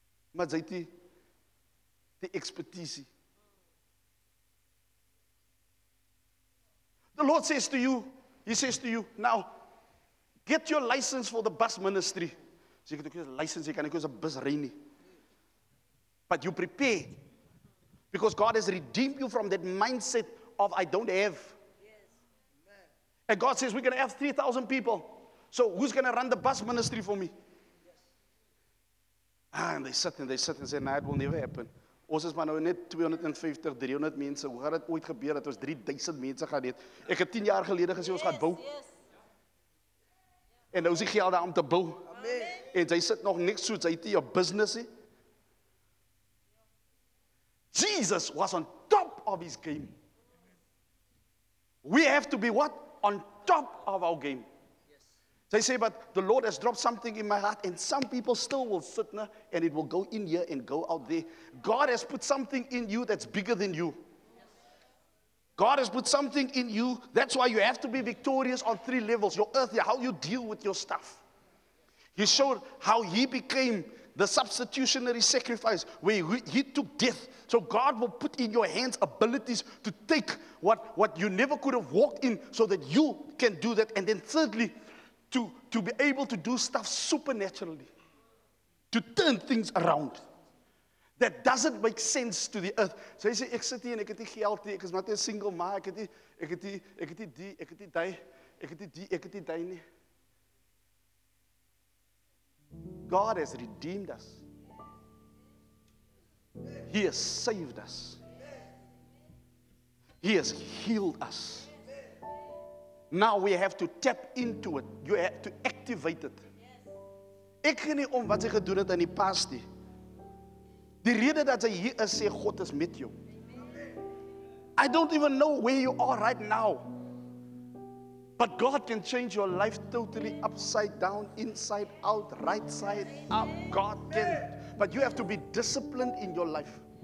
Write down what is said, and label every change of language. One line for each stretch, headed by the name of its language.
Afrikaans: Maar jy het die expertise.
English: The Lord says to you, he says to you, now, get your license for the bus ministry. So you get a license, you can use a bus rainy. But you prepare. Because God has redeemed you from that mindset of I don't have. And God says, we're going to have 3,000 people. So who's going to run the bus ministry for me? And they sit and say, nah, it will never happen.
Afrikaans: Ons is maar nou net 250, 300 mense. Hoe gaat het ooit gebeur dat ons 3,000 mense gaan het? Ek het 10 jaar geleden gesê, ons gaat bou. En nou is die geld daar om te bou. Amen. En jy sit nog niks soos, jy het hier jou business.
English: Jesus was on top of his game. We have to be what? On top of our game. They say, but the Lord has dropped something in my heart, and some people still will sit there, and it will go in here and go out there. God has put something in you that's bigger than you. God has put something in you. That's why you have to be victorious on three levels. Your earthly, how you deal with your stuff. He showed how he became the substitutionary sacrifice, where he took death. So God will put in your hands abilities to take what you never could have walked in so that you can do that. And then thirdly, to be able to do stuff supernaturally, to turn things around that doesn't make sense to the earth. So he said,
Afrikaans: ek sit hier en ek het nie geld nie, ek is maar net 'n single ma, ek het nie die nie.
English: God has redeemed us. He has saved us. He has healed us. Now we have to tap into it. You have to activate it.
Afrikaans: Ek gee nie om wat sy gedoen het in die past nie. Die rede dat sy hier is, sê God is met jou.
English: I don't even know where you are right now. But God can change your life totally upside down, inside out, right side up. God can. But you have to be disciplined in your life.